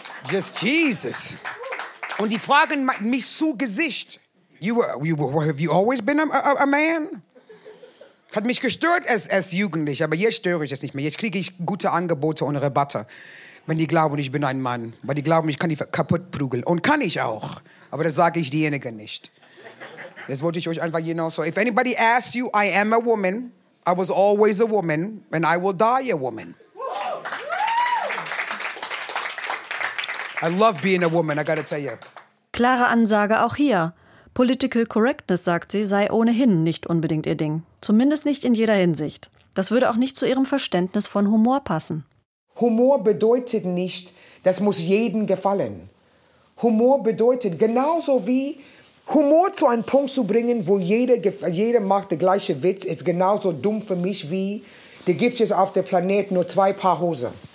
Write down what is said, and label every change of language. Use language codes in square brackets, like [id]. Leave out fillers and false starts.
[en] Just Jesus. [de] Und die fragen mich zu Gesicht. [en] Have you always been a man? [de] Hat mich gestört als Jugendlich, aber jetzt störe ich es nicht mehr. Jetzt kriege ich gute Angebote und Rabatte. Wenn die glauben, ich bin ein Mann. Weil die glauben, ich kann die kaputt prügeln. Und kann ich auch. Aber das sage ich diejenigen nicht. Das wollte ich euch einfach, [en] you know, [de] so. [en] If anybody asks you, I am a woman. I was always a woman. And I will die a woman. I love being a woman, I gotta tell you. [de] Klare Ansage auch hier. Political Correctness, sagt sie, sei ohnehin nicht unbedingt ihr Ding. Zumindest nicht in jeder Hinsicht. Das würde auch nicht zu ihrem Verständnis von Humor passen. Humor bedeutet nicht, das muss jedem gefallen. Humor bedeutet genauso wie Humor zu einem Punkt zu bringen, wo jeder macht den gleichen Witz, ist genauso dumm für mich wie, da gibt es auf dem Planeten nur zwei Paar Hose.